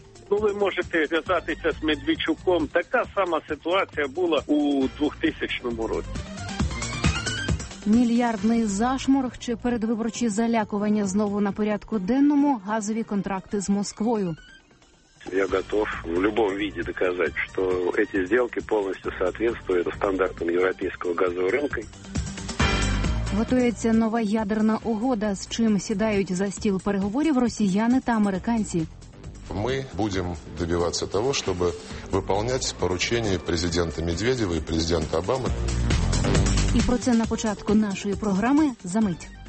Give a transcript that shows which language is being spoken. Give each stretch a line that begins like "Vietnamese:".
Ukrainian: Ну, ви можете зв'язатися з Медведчуком. Така сама ситуація була у 2000 році. Мільярдний зашморг чи передвиборчі залякування знову на порядку денному – газові контракти з Москвою.
Russian: Я готов в любом виде доказать, что эти сделки полностью соответствуют стандартам европейского газового рынка.
Ukrainian: Готується нова ядерна угода, з чим сідають за стіл переговорів росіяни та американці. Ми будемо добиватися того, щоб виконувати поручення президента Медведєва і президента Обами. І про це на початку нашої програми за мить.